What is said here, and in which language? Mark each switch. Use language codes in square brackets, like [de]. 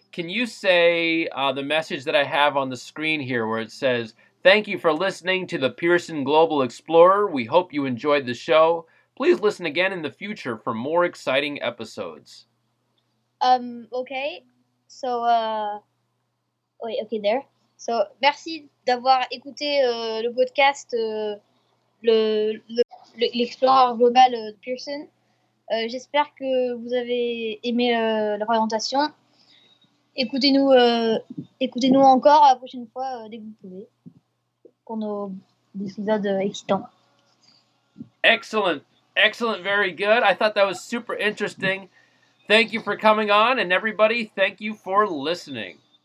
[en] can you say the message that I have on the screen here where it says, thank you for listening to the Pearson Global Explorer. We hope you enjoyed the show. Please listen again in the future for more exciting episodes. Okay. So, wait, okay, there. [fr] So, merci d'avoir écouté le podcast l'Explorer Global de Pearson. J'espère que vous avez aimé l'orientation. Écoutez-nous encore la prochaine fois dès que vous pouvez pour nos épisodes excitants. [en] Excellent. Excellent. Very good. I thought that was super interesting. Thank you for coming on, and everybody, thank you for listening.